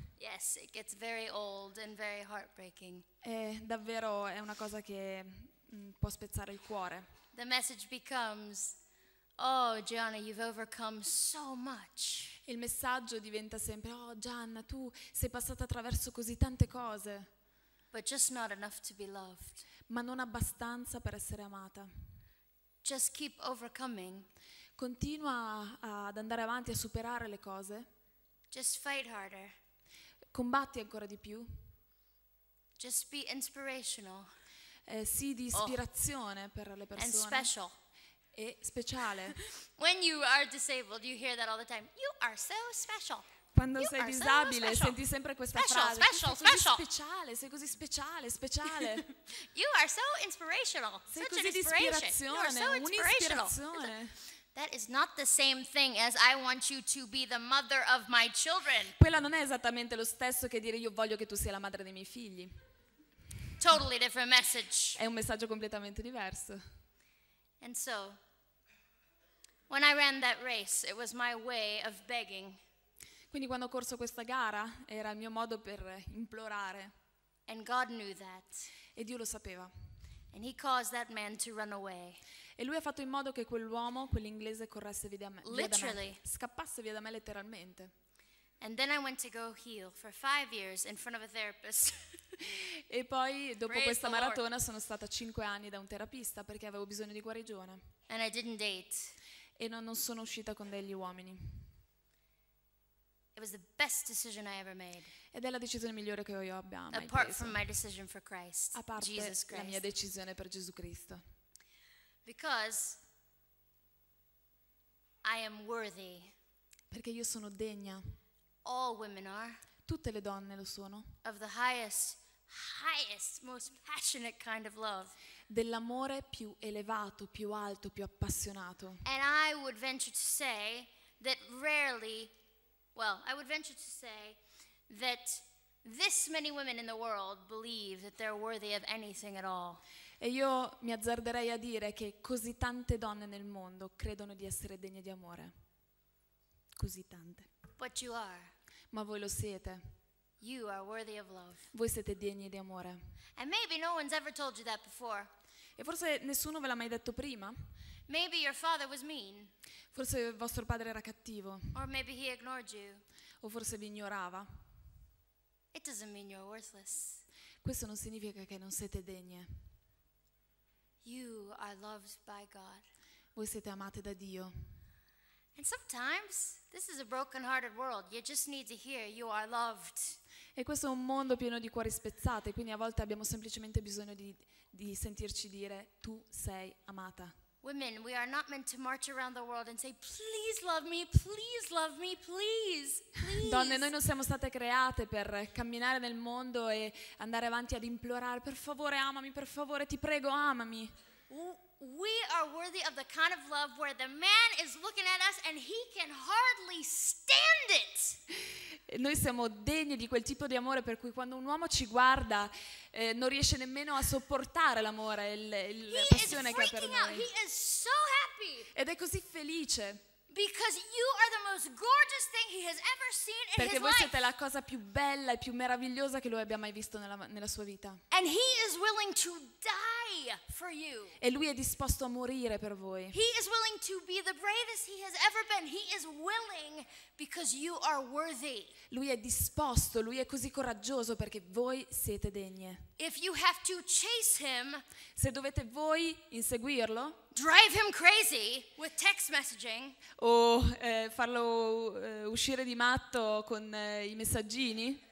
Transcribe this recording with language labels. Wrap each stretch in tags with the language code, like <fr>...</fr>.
<en>Yes, it gets very old and very heartbreaking.</en> <it>È davvero è una cosa che può spezzare il cuore.</it> <en>The message becomes, oh Gianna, you've overcome so much.</en> <it>Il messaggio diventa sempre, oh Gianna, tu sei passata attraverso così tante cose.</it> <en>But just not enough to be loved.</en> <it>Ma non abbastanza per essere amata.</it> <en>Just keep overcoming.</en> <it>Continua ad andare avanti, a superare le cose.</it> <en>Just fight harder.</en> <it>Combatti ancora di più.</it> <en>Just be inspirational.</en> <it>Sii di ispirazione per le persone.</it> <en>And special.</en> <it>E speciale.</it> <en>When you are disabled, you hear that all the time. You are so special.</en> <it>Quando you sei disabile, so senti sempre questa</it> <en>special,</en> <it>frase.</it> <en>Special, special,</en> <it>sei così speciale, sei così speciale, speciale.</it> <en>You are so inspirational.</en> <it>Sei</it> <en>such</en> <it>così</it> <en>an inspiration.</en> <it>Di ispirazione, so un'ispirazione.</it> <en>That is not the same thing as I want you to be the mother of my children.</en> <it>Quella non è esattamente lo stesso che dire io voglio che tu sia la madre dei miei figli.</it> <en>Totally different message.</en> <it>È un messaggio completamente diverso.</it> <en>And so, when I ran that race, it was my way of begging.</en> <it>Quindi quando ho corso questa gara era il mio modo per implorare.</it> <en>And God knew that.</en> <it>E Dio lo sapeva.</it> <en>And he caused that man to run away.</en> <it>E lui ha fatto in modo che quell'uomo, quell'inglese, corresse via da me.</it> <en>Literally.</en> <it>Scappasse via da me letteralmente.</it> <en>And then I went to go heal for 5 years in front of a therapist.</en> <it>E poi dopo Praise questa maratona sono stata 5 anni da un terapista perché avevo bisogno di guarigione.</it> <en>And I didn't date.</en> <it>E non sono uscita con degli uomini.</it> <en>It was the best decision I ever made.</en> <it>Ed è la decisione migliore che io abbia mai</it> <en>Apart</en> <it>preso.</it> <en>From my decision for Christ,</en> <it>a parte</it> <en>Jesus Christ.</en> <it>La mia decisione per Gesù Cristo.</it> <en>Because I am worthy.</en> <it>Perché io sono degna.</it> <en>All women are.</en> <it>Tutte le donne lo sono.</it> <en>Of the highest, highest, most passionate kind of love.</en> <it>Dell'amore più elevato, più alto, più appassionato.</it> <en>And I would venture to say that rarely. Well, I would venture to say that this many women in the world believe that they're worthy of anything at all.</en> <it>E io mi azzarderei a dire che così tante donne nel mondo credono di essere degne di amore. Così tante.</it> <en>But you are.</en> <it>Ma voi lo siete.</it> <en>You are worthy of love.</en> <it>Voi siete degni di amore.</it> <en>And maybe no one's ever told you that before.</en> <it>E forse nessuno ve l'ha mai detto prima.</it> <en>Maybe your father was mean.</en> <it>Forse vostro padre era cattivo.</it> <en>Or maybe he ignored you.</en> <it>O forse vi ignorava.</it> <en>It doesn't mean you're worthless.</en> <it>Questo non significa che non siete degne.</it> <en>You are loved by God.</en> <it>Voi siete amate da Dio.</it> <en>And sometimes this is a broken-hearted world. You just need to hear you are loved.</en> <it>E questo è un mondo pieno di cuori spezzati, quindi a volte abbiamo semplicemente bisogno di sentirci dire tu sei amata.</it> <en>Women, we are not meant to march around the world and say, please love me, please love me, please, please.</en> <it>Donne, noi non siamo state create per camminare nel mondo e andare avanti ad implorare, per favore amami, ti prego amami.</it> <en>We are worthy of the kind of love where the man is looking at us and he can hardly stand it.</en> <it>Noi siamo degni di quel tipo di amore per cui quando un uomo ci guarda non riesce nemmeno a sopportare l'amore, la passione che ha per noi.</it> <en>He is so happy.</en> <it>Ed è così felice.</it> <en>Because you are the most gorgeous thing he has ever seen in his life.</en> <it>Perché voi siete la cosa più bella e più meravigliosa che lui abbia mai visto nella sua vita.</it> <en>And he is willing to die for you.</en> <it>E lui è disposto a morire per voi.</it> <en>He is willing to be the bravest he has ever been. He is willing because you are worthy.</en> <it>Lui è disposto, lui è così coraggioso perché voi siete degne.</it> <en>If you have to chase him,</en> <it>se dovete voi inseguirlo,</it> <en>drive him crazy with text messaging,</en> <it>o farlo uscire di matto con i messaggini.</it>